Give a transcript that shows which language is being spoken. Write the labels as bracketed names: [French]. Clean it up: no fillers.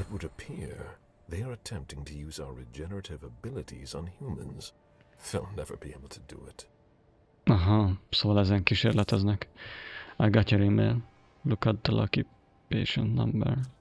[English] It would appear they are attempting to use our regenerative abilities on humans. They'll never be able to do it. [Hungarian] Aha, szóval ezen kísérleteznek. [English] I got your email. Look at the lucky patient number.